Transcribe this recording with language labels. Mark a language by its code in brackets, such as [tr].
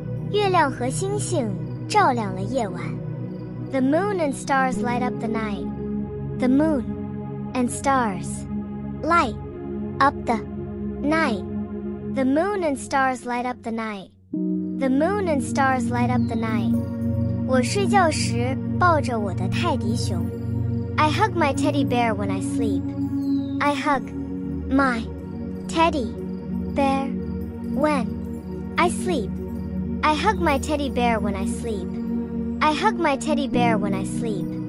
[zh] 月亮和星星照亮了夜晚。 [en] The moon and stars light up the night. The moon and stars light up the night. The moon and stars light up the night. The moon and stars light up the night. [zh] 我睡觉时抱着我的泰迪熊。 [en] I hug my teddy bear when I sleep. I hug my teddy bear when I sleep. I hug my teddy bear when I sleep. I hug my teddy bear when I sleep.